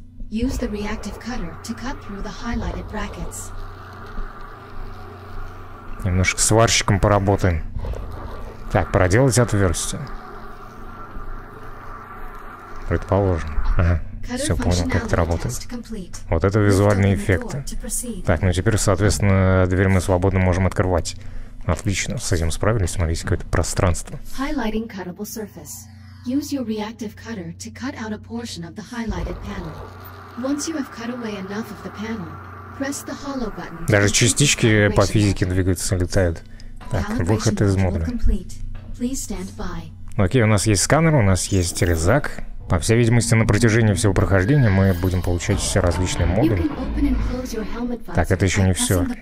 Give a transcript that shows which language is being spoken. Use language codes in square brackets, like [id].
[en] Use the reactive cutter to cut through the highlighted brackets. [ru] Немножко сварщиком поработаем. Так, проделать отверстие. Предположим. Ага. Все понял, как это работает. Вот это визуальные эффекты. Так, ну теперь, соответственно, дверь мы свободно можем открывать. Отлично, с этим справились. Смотрите, какое-то пространство. [en] Highlighting cuttable surface. Use your reactive cutter to cut out a portion of the highlighted panel. Once you have cut away enough of the panel, press the hollow button. [ru] Даже частички по физике двигаются, летают. Так, выход из модуля. [en] Please stand by. [ru] Окей, у нас есть сканер, у нас есть резак. По всей видимости, на протяжении всего прохождения мы будем получать все различные модули. Так, это еще не все.